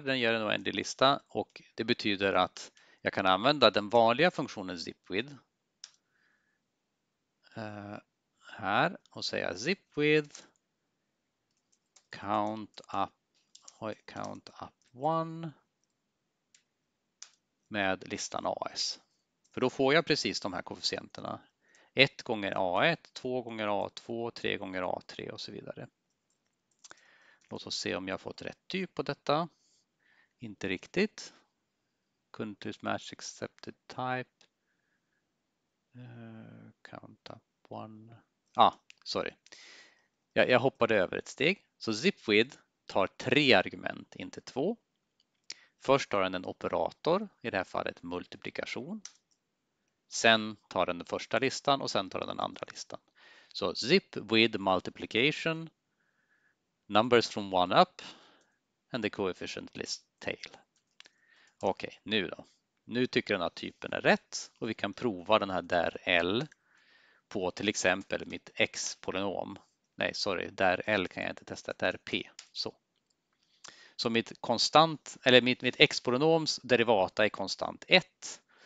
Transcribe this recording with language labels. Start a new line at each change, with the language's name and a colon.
Swedish: Den gör en oändlig lista, och det betyder att jag kan använda den vanliga funktionen zipwith här och säga zipwith countup 1 med listan AS. För då får jag precis de här koefficienterna. 1 gånger A1, 2 gånger A2, 3 gånger A3 och så vidare. Låt oss se om jag har fått rätt typ på detta. Inte riktigt.
English: Couldn't use match accepted type. Count up one. Ah, sorry.
Swedish: Jag hoppade över ett steg. Så zipwith tar 3 argument, inte 2. Först tar den en operator, i det här fallet multiplikation. Sen tar den första listan och sen tar den andra listan.
English: Så zip with multiplication, numbers from one up, and the coefficient list tail.
Swedish: Okej, nu då. Nu tycker den här typen är rätt och vi kan prova den här där L på till exempel mitt x-polynom. Nej, sorry, där L kan jag inte testa, där P. Så mitt konstant, eller mitt x-polynoms derivata är konstant 1.